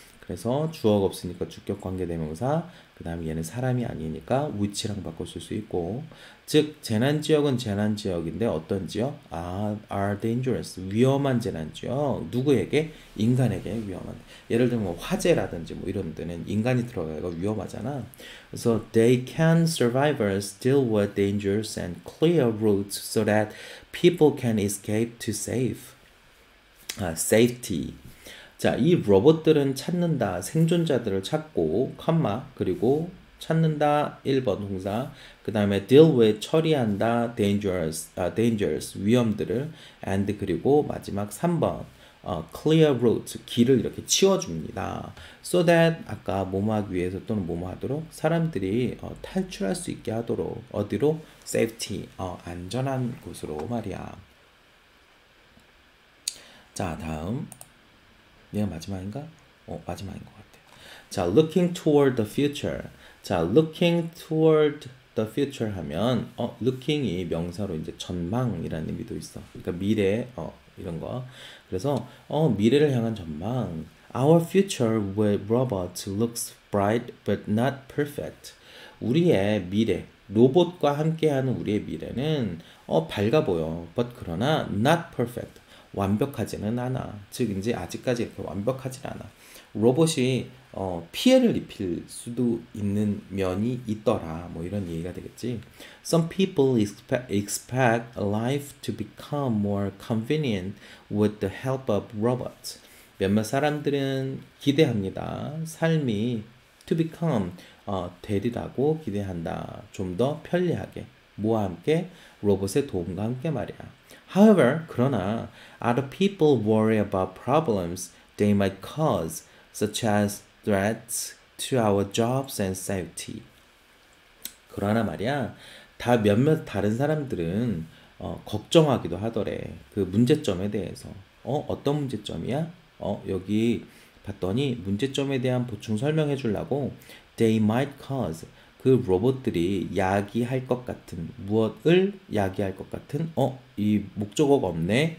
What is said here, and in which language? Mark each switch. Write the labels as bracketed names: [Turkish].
[Korean] 그래서 주어가 없으니까 주격 관계대명사. 그다음 얘는 사람이 아니니까 위치랑 바꿔 쓸수 있고. 즉 재난 지역은 재난 지역인데 어떤 지역? 아, [English] are dangerous. [Korean] 위험한 재난 지역. 누구에게? 인간에게 위험한. 예를 들면 화재라든지 뭐 이런 데는 인간이 들어가기가 위험하잖아. 그래서 [English] they can survivors deal with dangers and clear routes so that people can escape to safe. [Korean] Safety. 자, 이 로봇들은 찾는다, 생존자들을 찾고, 콤마, 그리고 찾는다, 1번 동사, 그 다음에 [English] deal with, [Korean] 처리한다, dangerous, 위험들을, and 그리고 마지막 3번, [English] clear route, [Korean] 길을 이렇게 치워줍니다. [English] So that, [Korean] 아까 뭐뭐하기 위해서 또는 뭐뭐하도록, 사람들이 탈출할 수 있게 하도록, 어디로? safety, 안전한 곳으로 말이야. 자, 다음. 얘가 마지막인가? 마지막인 것 같아. 자, [English] looking toward the future. [Korean] 자, looking toward the future 하면, looking이 명사로 이제 전망이라는 의미도 있어. 그러니까 미래, 이런 거. 그래서, 미래를 향한 전망. [English] Our future with robots looks bright but not perfect. [Korean] 우리의 미래, 로봇과 함께하는 우리의 미래는, 밝아 보여. [English] But [Korean] 그러나, [English] not perfect. [Korean] 완벽하지는 않아. 즉, 이제 아직까지 이렇게 완벽하지는 않아. 로봇이, 피해를 입힐 수도 있는 면이 있더라. 뭐 이런 얘기가 되겠지. [English] Some people expect life to become more convenient with the help of robots. [Korean] 몇몇 사람들은 기대합니다. 삶이 [English] to become, [Korean] 되리라고 기대한다. 좀더 편리하게. 뭐와 함께? 로봇의 도움과 함께 말이야. [English] However, [Korean] 그러나, [English] other people worry about problems they might cause, such as threats to our jobs and safety. [Korean] 그러나 말이야, 다 몇몇 다른 사람들은 걱정하기도 하더래. 그 문제점에 대해서. 어떤 문제점이야? 여기 봤더니 문제점에 대한 보충 설명해 주려고 [English] they might cause. [Korean] 그 로봇들이 야기할 것 같은, 무엇을 야기할 것 같은, 이 목적어가 없네.